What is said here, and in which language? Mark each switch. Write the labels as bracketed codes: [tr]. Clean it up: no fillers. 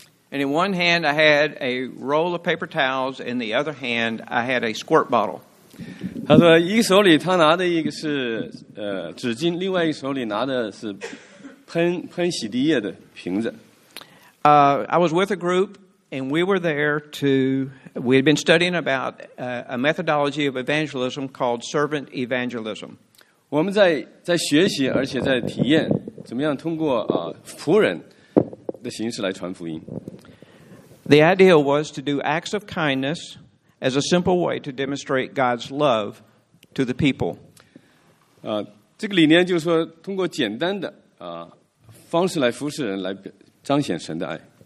[en] And in one hand I had a roll of paper towels, in the other hand I had a squirt bottle. [zh] 他说一个手里他拿的一个是纸巾，另外一个手里拿的是喷洗涤液的瓶子。 [en] I was with a group, and we had been studying about a methodology of evangelism called servant evangelism. [zh] 我们在学习，而且在体验怎么样通过仆人的形式来传福音。 [en] The idea was to do acts of kindness as a simple way to demonstrate God's love to the people. [zh] 这个理念就是说，通过简单的方式来服侍人，来彰显神的爱。